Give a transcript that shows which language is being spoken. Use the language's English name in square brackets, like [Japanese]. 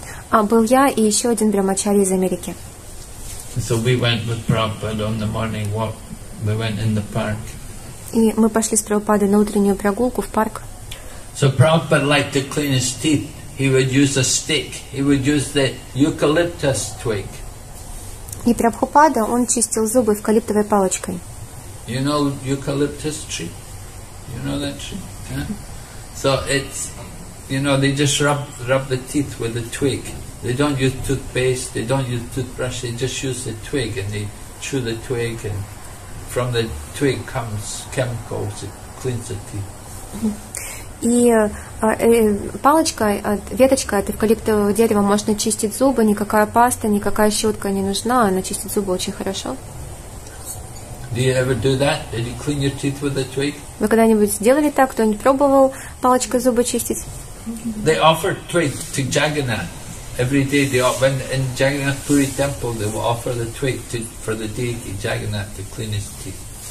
[Russian] Был я и еще один брахмачари из Америки. [English] So we went with Prabhupada on the morning walk. We went in the park. [Russian] И мы пошли с Прабхупадой на утреннюю прогулку в парк. [English] So Prabhupada liked to clean his teeth. He would use a stick. He would use the eucalyptus twig. [Russian] И Прабхупада, он чистил зубы эвкалиптовой палочкой. [English] You know eucalyptus tree? You know that tree? Yeah? So it's, you know, they just rub the teeth with a twig. They don't use toothpaste, they don't use toothbrush, they just use the twig and they chew the twig and from the twig comes chemicals, it cleans the teeth. [Russian] И палочка, веточка от эвкалиптового дерева, можно чистить зубы, никакая паста, никакая щетка не нужна, она чистит зубы очень хорошо. [English] Do you ever do that? Did you clean your teeth with a twig? [Russian] Вы когда-нибудь сделали так? Кто-нибудь пробовал палочкой зубы чистить? [English] They offered twigs to Jagannath every day they offer, in Jagannath Puri temple, they will offer the twig to, for the deity Jagannath to clean his teeth.